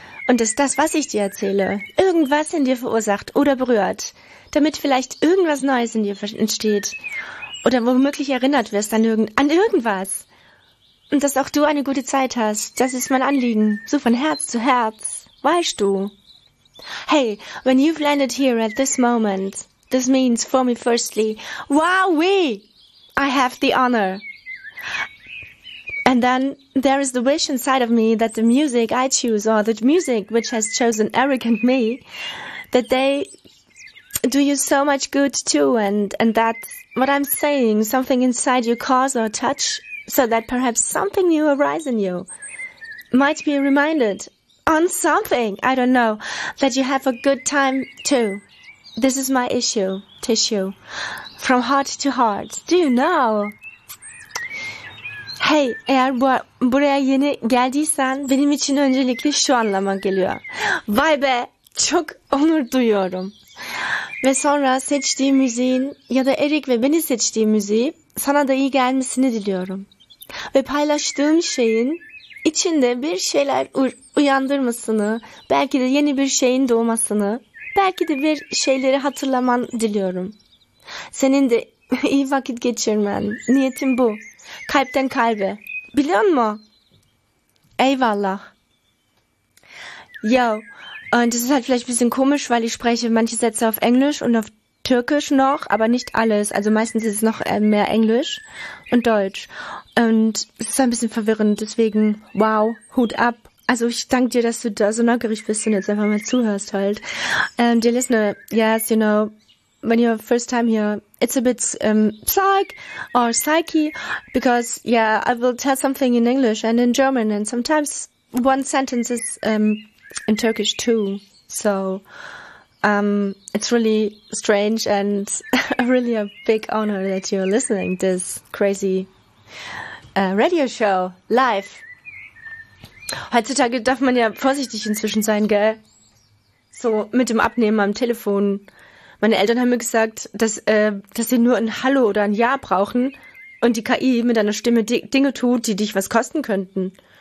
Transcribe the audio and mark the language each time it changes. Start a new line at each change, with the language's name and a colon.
German: Und dass das, was ich dir erzähle, irgendwas in dir verursacht oder berührt, damit vielleicht irgendwas Neues in dir entsteht oder womöglich erinnert wirst an irgendwas. Und dass auch du eine gute Zeit hast, das ist mein Anliegen, so von Herz zu Herz. Weißt du?
English: Hey, when you've landed here at this moment, this means for me firstly, wowee, I have the honor. And then there is the wish inside of me that the music I choose, or the music which has chosen Eric and me, that they do you so much good too, and that what I'm saying, something inside you cause or touch, so that perhaps something new arise in you, might be reminded on something, I don't know, that you have a good time too. This is my issue, tissue, from heart to heart. Do you know?
Turkish: Hey, eğer buraya yeni geldiysen, benim için öncelikle şu anlama geliyor. Vay be, çok onur duyuyorum. Ve sonra seçtiğim müziğin ya da Eric ve beni seçtiğim müziği sana da iyi gelmesini diliyorum. Ve paylaştığım şeyin İçinde bir şeyler uyandırmasını, belki de yeni bir şeyin doğmasını, belki de bir şeyleri hatırlaman diliyorum. Senin de iyi vakit geçirmen, niyetim bu. Kalpten kalbe. Biliyor musun? Eyvallah.
German: Yo, und es ist halt vielleicht ein bisschen komisch, weil ich spreche manche Sätze auf Englisch und auf Türkisch noch, aber nicht alles. Also meistens ist es noch mehr Englisch und Deutsch. Und es ist ein bisschen verwirrend, deswegen wow, Hut ab. Also ich danke dir, dass du da so neugierig bist und jetzt einfach mal zuhörst halt.
English: Dear listener, yes, you know, when you're first time here, it's a bit psych or psyche, because yeah, I will tell something in English and in German and sometimes one sentence is in Turkish too. So it's really strange and really a big honor that you're listening to this crazy radio show live.
German: Heutzutage darf man ja vorsichtig inzwischen sein, gell? So mit dem Abnehmen am Telefon. Meine Eltern haben mir gesagt, dass sie nur ein Hallo oder ein Ja brauchen und die KI mit deiner Stimme Dinge tut, die dich was kosten könnten.